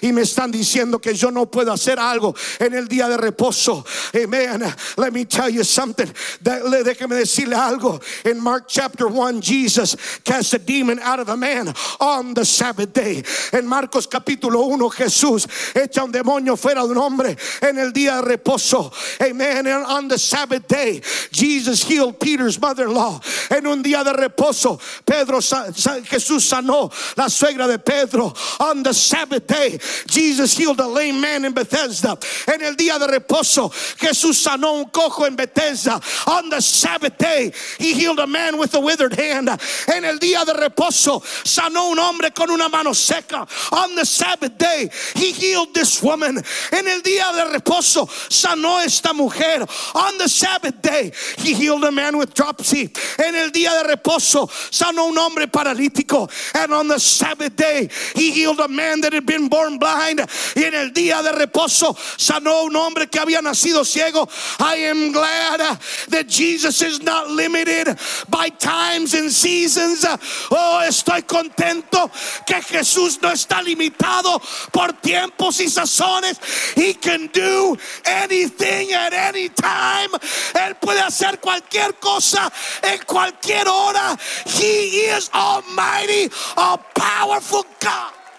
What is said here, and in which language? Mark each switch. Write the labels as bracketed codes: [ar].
[es] Y me están diciendo que yo no puedo hacer algo en el día de reposo. [en] Amen. Let me tell you something. [es] Déjeme decirle algo. [en] In Mark chapter 1, Jesus cast a demon out of a man on the Sabbath day. [es] En Marcos capítulo 1, Jesús echa un demonio fuera de un hombre en el día de reposo. Amen. [en] And on the Sabbath day, Jesus healed Peter's mother-in-law. [es] En un día de reposo, Jesús sanó la suegra de Pedro. [en] On the Sabbath day, Jesus healed a lame man in Bethesda. [es] En el día de reposo, Jesús sanó un cojo en Bethesda. [en] On the Sabbath day, he healed a man with a withered hand. [es] En el día de reposo sanó un hombre con una mano seca. [en] On the Sabbath day he healed this woman. [es] En el día de reposo sanó esta mujer. [en] On the Sabbath day he healed a man with dropsy. [es] En el día de reposo sanó un hombre paralítico. [en] And on the Sabbath day he healed a man that had been born blind. [es] Y en el día de reposo sanó un hombre que había nacido ciego. [en] I am glad that Jesus is not limited by times and seasons. [es] Oh, estoy contento que Jesús no está limitado por tiempos y sazones. [en] He can do anything at any time. [es] Él puede hacer cualquier cosa en cualquier hora. [en] He is almighty, a powerful God.